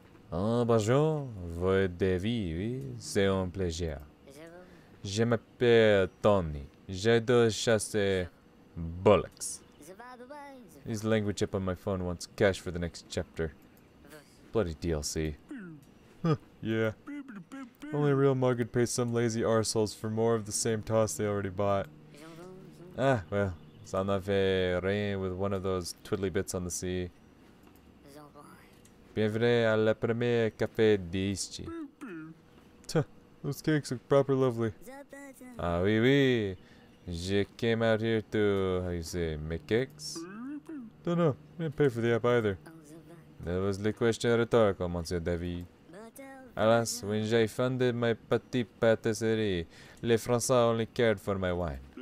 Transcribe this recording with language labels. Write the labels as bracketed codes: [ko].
[fr] Oh, bonjour, votre devis, oui, c'est un plaisir. Je m'appelle Tony, je dois chasser bullocks. [en] This language chip on my phone wants cash for the next chapter. Bloody DLC. Yeah. Only a real mug would pay some lazy arseholes for more of the same toss they already bought. Ah, well, [fr] ça n'a fait rien [en] with one of those twiddly bits on the sea. [fr] Bienvenue à la première café d'ici. [en] Those cakes look proper lovely. [fr] Ah oui oui. [en] Je came out here to, how you say, make cakes? Don't know. I didn't pay for the app either. That was the question rhetorical, Monsieur David. Alas, when [fr] j'ai fondé [en] my [fr] petite pâtisserie, les Français [en] only cared for my wine.